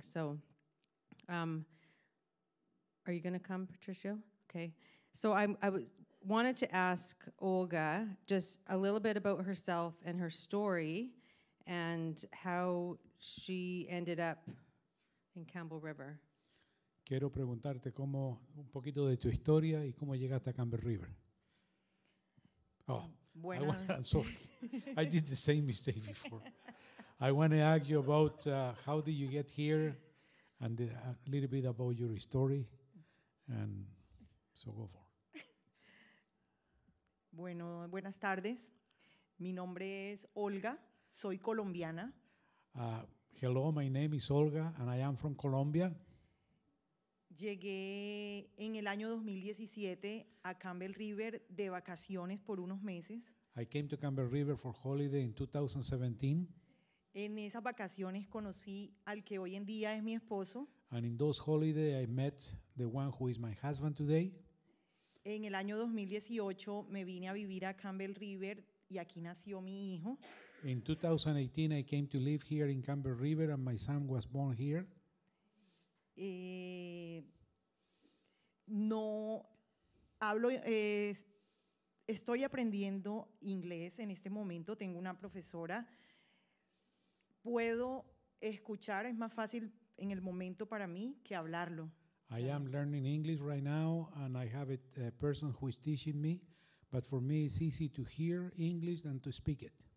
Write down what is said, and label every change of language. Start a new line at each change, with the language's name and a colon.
English: So are you going to come, Patricio? Okay. So I wanted to ask Olga just a little bit about herself and her story and how she ended up in Campbell River.
Spanish: Quiero preguntarte cómo un poquito de tu historia y cómo llegaste a Campbell River. Oh, bueno.
English: I'm sorry. I did the same mistake before. I want to ask you about how did you get here, and a little bit about your story, and so go for.
Spanish: Bueno, buenas tardes. Mi nombre es Olga. Soy colombiana.
English: Hello, my name is Olga, and I am from Colombia.
Spanish: Llegué en el año 2017 a Campbell River de vacaciones por unos meses.
English: I came to Campbell River for holiday in 2017.
Spanish: En esas vacaciones conocí al que hoy en día es mi esposo.
English: And in those holidays I met the one who is my husband today.
Spanish: En el año 2018 me vine a vivir a Campbell River y aquí nació mi hijo.
English: In 2018 I came to live here in Campbell River and my son was born here.
Spanish: Estoy aprendiendo inglés en este momento, tengo una profesora. Puedo escuchar, es más fácil en el momento para mí que hablarlo.
English: I am learning English right now and I have a person who is teaching me, but for me it's easy to hear English than to speak it.